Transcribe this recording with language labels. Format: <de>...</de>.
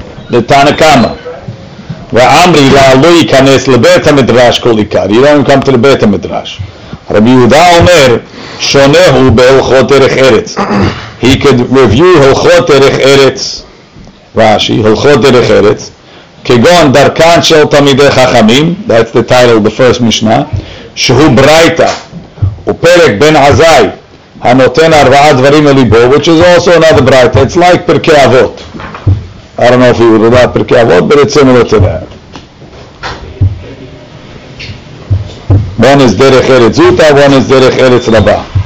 <he>the Tanakama ואמרי לה לא ייכנס לבית המדרש כל עיקר</he> <en>you don't come to the</en> <he>בית המדרש רבי יהודה אומר שונה הוא בהלכות ערך ארץ</he> <en>he could review</en> <he>הלכות ערך ארץ רעשי הלכות ערך ארץ כגון דרכן של תמידי חכמים,</he> <en>that's the title of the first</en> <he>משנה, שהוא ברייתא, ופרק בן עזאי, הנותן ארבעה דברים לליבו,</he> <en>which is also another</en> <he>ברייתא,</he> <en>it's like</en> <he>פרקי אבות.</he> <en>I don't know if you would have פרקי אבות, but it's similar to that. One is דרך ארץ זוטה, one is דרך ארץ רבה.</en>